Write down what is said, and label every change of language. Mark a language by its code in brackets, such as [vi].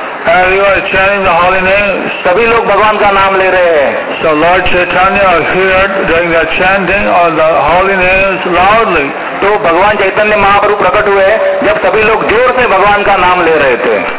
[en] Everyone chanting the holy name. [hi] सभी लोग भगवान का नाम ले रहे हैं। [en] So Lord Chaitanya appeared during the chanting of the holy names loudly. [hi] तो भगवान चैतन्य महाप्रभु प्रकट हुए जब सभी लोग जोर से भगवान का नाम ले रहे थे।